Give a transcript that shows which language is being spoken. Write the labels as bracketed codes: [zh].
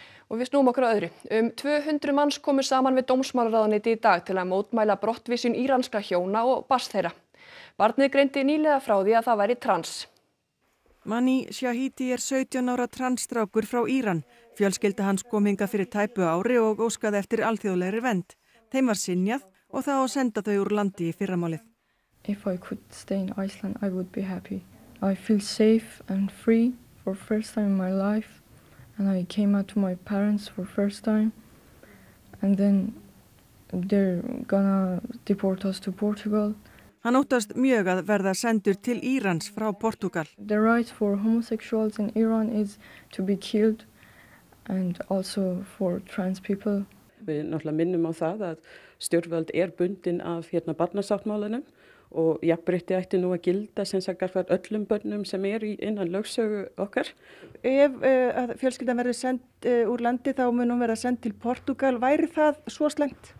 [is] Og við snúum okkur á öðru. 200 manns komu saman við dómsmálaráðuneyti í dag til að mótmæla brottvísun íranskra hjóna og barns þeirra. Barnið greindi nýlega frá því að það væri trans. Mani Shahidi 17 ára transstrákur frá Íran. Fjölskylda hans kom hingað fyrir tæpu ári og óskaði eftir alþjóðlegri vernd. Þeim var synjað og þá senda þau úr landi í fyrramálið. [en] If I could stay in Iceland, I would be happy. I feel safe and free for first time in my life. And I came out to my parents for first time. And then they're gonna deport us to Portugal. [is] Hann óttast mjög að verða sendur til Írans frá Portugal. [en] The right for homosexuals in Iran is to be killed and also for trans people. [is] Við náttúrulega minnum á það að stjórnvöld bundin af hérna barnasáttmálanum og jafnrétti ætti nú að gilda sem sagt gagnvart öllum börnum sem innan lögsögu okkar. Ef fjölskyldan verður send úr landi þá mun hún verða send til Portugal. Væri það svo slæmt?